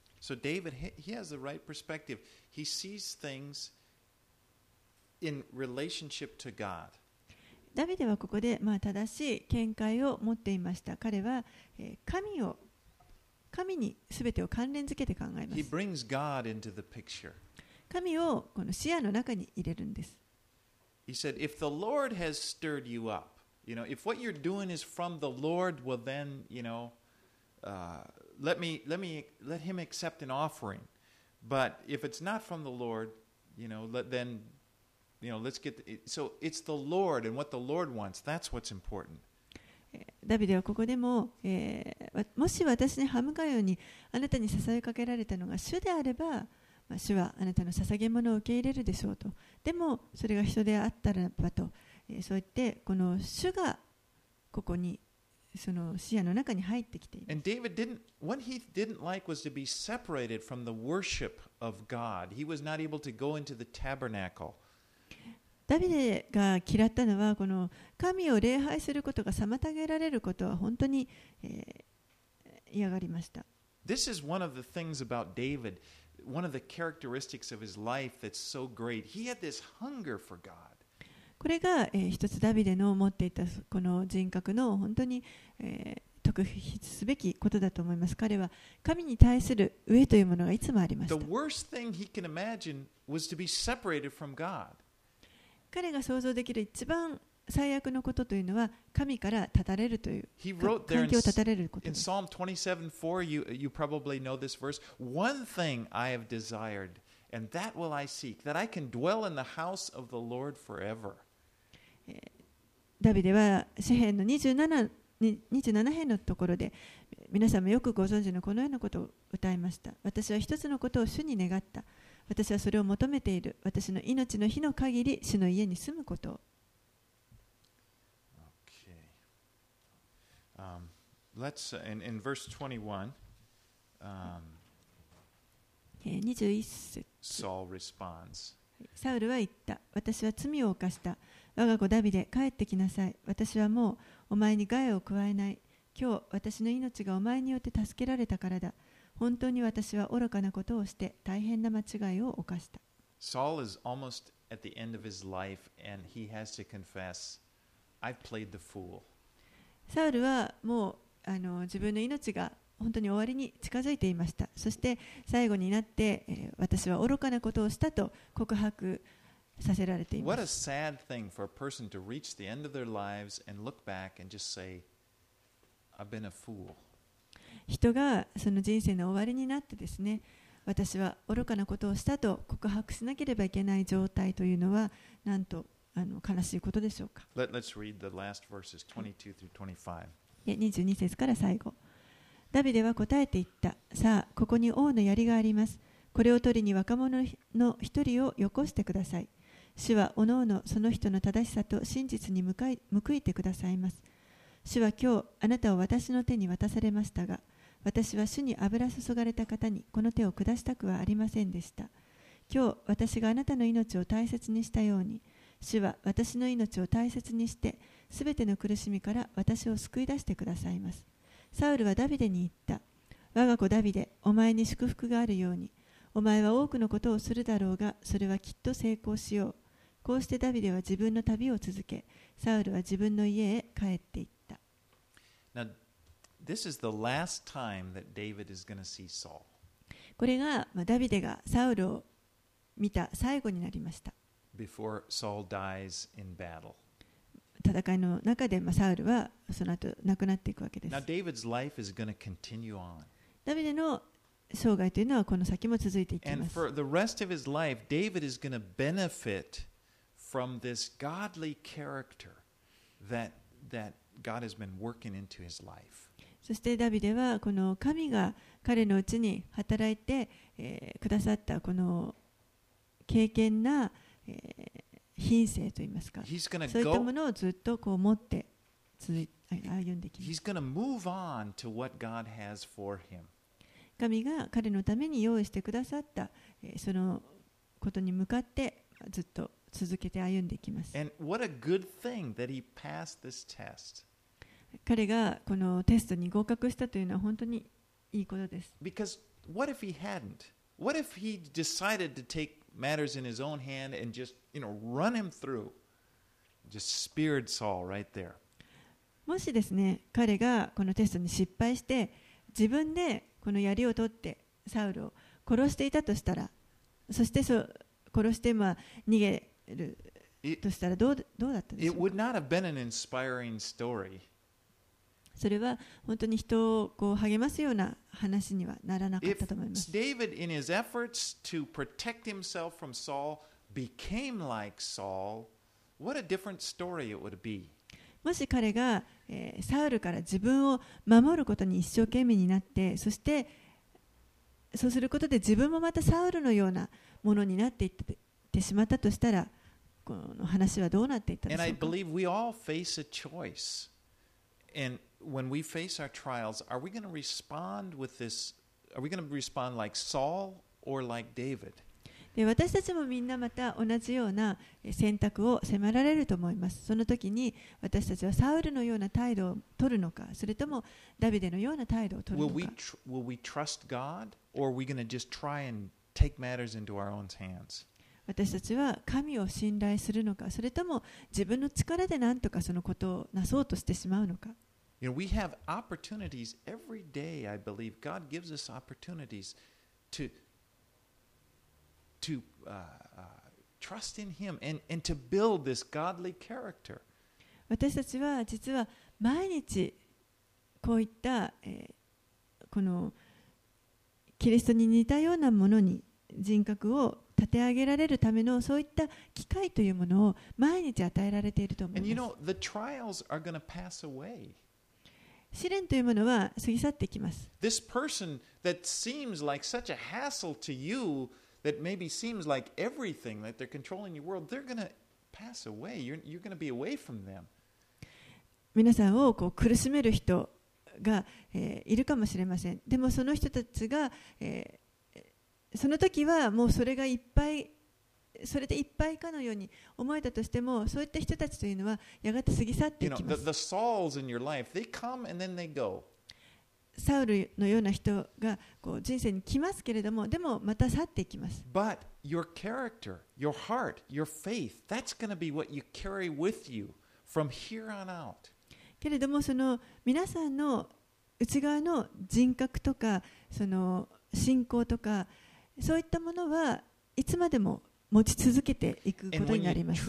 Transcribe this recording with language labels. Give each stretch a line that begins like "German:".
English: So David, he has the right perspective. He sees things in relationship to God.
Japanese: ダビデはここで、まあ、正しい見解を持っていました。彼は、神に全てを関連付けて考えます。
English: He brings God into the picture.
Japanese: 神をこの視野の中に入れるんです。
English: He said, if the Lord has stirred you up, you know, if what you're doing is from the Lord, well then, you know, let him accept an offering. But if it's not from the Lord, you know, let's get the, so it's the Lord and what the Lord wants. That's what's important.
Japanese: ダビデはここでも、もし私に歯向かうようにあなたに捧げかけられたのが主であれば、まあ、主はあなたの捧げ物を受け入れるでしょうと。でもそれが人であったらばと、そう言ってこの主がここにその視野の中に入ってきています。
English: And David didn't, what he didn't like was to be separated from the worship of God. He was not able to go into the tabernacle.
Japanese: ダビデが嫌ったのは、この神を礼拝することが妨げられることは本当に、嫌がりました。
English: This is one of the things about David, one of the characteristics of his life that's so great. He had this hunger for God.
Japanese: これが、一つダビデの持っていたこの人格の本当に、特筆すべきことだと思います。彼は神に対する飢えというものがいつもありました。
English: The worst thing he can imagine was to be separated from God.
Japanese: 彼が想像できる一番最悪のことというのは神から断たれるという、
English: He wrote there
Japanese: 環境を断たれることです。
English: In Psalm 27:4, you probably know this verse. One thing I have desired. And that will I seek, that I can dwell in the house of the Lord forever.
Japanese: ダビデは詩編の27編のところで、皆さんもよくご存知のこのようなことを歌いました。私は一つのことを主に願った。私はそれを求めている。私の命の日の限り主の家に住むこと。
English: Okay. Let's in verse 21.
Japanese: 21節。
English: Saul responds.
Japanese: サウルは言った。私は罪を犯した。我が子ダビデ、帰ってきなさい。私はもうお前に害を加えない。今日私の命がお前によって助けられたからだ。本当に私は愚かなことをして大変な間違いを犯した。
English: Saul is almost at the end of his life and he has to confess, I've played the fool.
Japanese: サウルはもう自分の命が本当に終わりに近づいていました。そして最後になって、私は愚かなことをしたと告白させられています。
English: What a sad thing for a person to reach the end of their lives and look back and just say, I've been a fool.
Japanese: 人がその人生の終わりになってですね、私は愚かなことをしたと告白しなければいけない状態というのは、なんと悲しいことでしょうか。
English: Let's read the last verses 22 through 25.
Japanese: 22節から最後。ダビデは答えて言った。さあ、ここに王の槍があります。これを取りに若者の一人をよこしてください。主はおのおのその人の正しさと真実に報いてくださいます。主は今日あなたを私の手に渡されましたが、私は主に油注がれた方にこの手を下したくはありませんでした。今日私があなたの命を大切にしたように、主は私の命を大切にして、すべての苦しみから私を救い出してくださいます。サウルはダビデに言った。我が子ダビデ、お前に祝福があるように。お前は多くのことをするだろうが、それはきっと成功しよう。こうしてダビデは自分の旅を続け、サウルは自分の家へ帰っていった。
English: Now, this is the last time that David is going to see Saul.
Japanese: これが、まあ、ダビデがサウルを見た最後になりました。
English: Before Saul dies in battle.
Japanese: 戦いの中で、まあ、サウルはその後亡くなっていくわけです。
English: Now, David's life is going to continue on.
Japanese: ダビデの生涯というのはこの先も続いていきます。
English: And for the rest of his life, David is going to benefit from this godly character that God has been working into his life.
Japanese: そしてダビデはこの神が彼のうちに働いて、くださったこの敬虔な、品性といいますか、そういったものをずっとこう持って歩んでいきます。
English: He's gonna move on to what God has for him.
Japanese: 神が彼のために用意してくださった、そのことに向かってずっと続けて歩んでいきます。
English: And what a good thing that he passed this test.
Japanese: 彼がこのテストに合格したというのは本当にいいことです。
English: Because what if he hadn't? What if he decided to take matters in his own hand and just, you know, run him through? Just speared Saul right there.
Japanese: もしですね、彼がこのテストに失敗して自分でこの槍を取ってサウルを殺していたとしたら、そして殺して逃げるとしたらどうだったでしょうか。
English: It would not have been an inspiring story.
Japanese: それは本当に人をこう励ますような話にはならなかったと思います。
English: If David in his efforts to protect himself from Saul became like Saul, what a different story it would be.
Japanese: もし彼が、サウルから自分を守ることに一生懸命になって、そしてそうすることで自分もまたサウルのようなものになっていってしまったとしたら、この話はどうなっていったでしょうか。
English: And I believe we all face a choice. And when we face our trials, are we going to respond with this? Are we going to respond like Saul or like David?
Japanese: で、私たちもみんなまた同じような選択を迫られると思います。その時に私たちはサウルのような態度を取るのか、それともダビデのような態度を取るのか。
English: Will we trust God or are we going to just try and take matters into our own hands?
Japanese: 私たちは神を信頼するのか、それとも自分の力で何とかそのことをなそうとしてしまうのか。
English: You know, we have opportunities every day, I believe. God gives us opportunities to trust in Him and to build this godly character.
Japanese: 私たちは実は毎日こういった、このキリストに似たようなものに人格を立て上げられるためのそういった機会というものを毎日与えられていると思います。
English: And you know, the trials are going to pass away.
Japanese: 試練というものは過ぎ去っていきます。
English: This person that seems like such a hassle to you, that maybe seems like everything, that they're controlling your world, they're gonna pass away. You're gonna be away from them.
Japanese: 皆さんをこう苦しめる人が、いるかもしれません。でもその人たちが、その時はもうそれがいっぱい、それでいっぱいかのように思えたとしても、そういった人たちというのはやがて過ぎ去っていきます。
English: You know, the Sauls in your life, they come and then they go.
Japanese: サウルのような人がこう人生に来ますけれども、でもまた去っていきます。
English: But your character, your heart, your faith, that's going to be what you carry with you from here on out.
Japanese: けれども、その皆さんの内側の人格とかその信仰とか、そういったものはいつまでも持ち続けていくことになります。